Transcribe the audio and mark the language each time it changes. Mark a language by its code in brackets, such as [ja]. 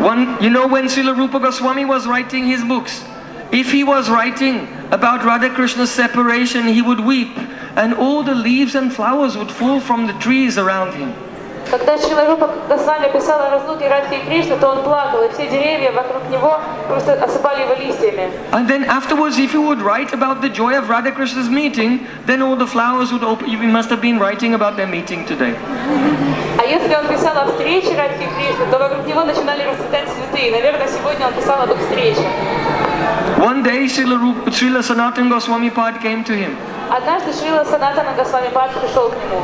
[en] One, you know when Srila Rupa Goswami was writing his books, if he was writing about Radha Krishna's separation, he would weep and all the leaves and flowers would fall from the trees around him. [ru] Когда Шрила Рупа Госвами описал о разлуке Радхи и Кришны, то он плакал, и все деревья вокруг него просто осыпали его листьями. [en] And then afterwards, if you would write about the joy of Radha Krishna's meeting, then all the flowers would open. You must have been writing about their meeting today. [ru] А если он писал о встрече Радхи и Кришны, то вокруг него начинали расцветать цветы. Наверное, сегодня он писал об их встрече. [en] One day Srila Sanatana Goswami Pad came to him. [ru] Однажды Шрила Санатана Госвами Пад пришел к нему.